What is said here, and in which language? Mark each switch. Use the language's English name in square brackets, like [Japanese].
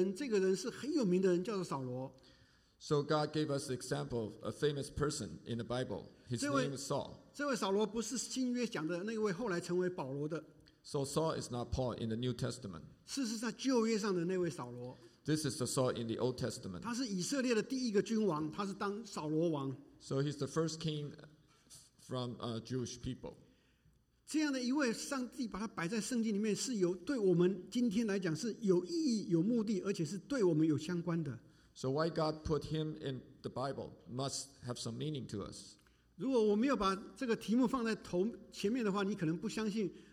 [Chinese] 上帝借着一个人，这个人是很有名的人，叫做扫罗。 [English] So God gave us the example of a famous person in the Bible. His name is Saul. [Chinese] 这位扫罗不是新约讲的那位后来成为保罗的。 [English] So Saul is not Paul in the New Testament. [Chinese] 事实上，旧约上的那位扫罗。 [English] This is the Saul in the Old Testament. [Chinese] 他是以色列的第一个君王，他是当扫罗王。 [English] So he's the first king from Jewish people. [Chinese] 这样的一位，上帝把他摆在圣经里面，是有对我们今天来讲是有意义、有目的，而且是对我们有相关的。 [English] So why God put him in the Bible must have some meaning to us. [Chinese] 如果我没有把这个题目放在头前面的话，你可能不相信。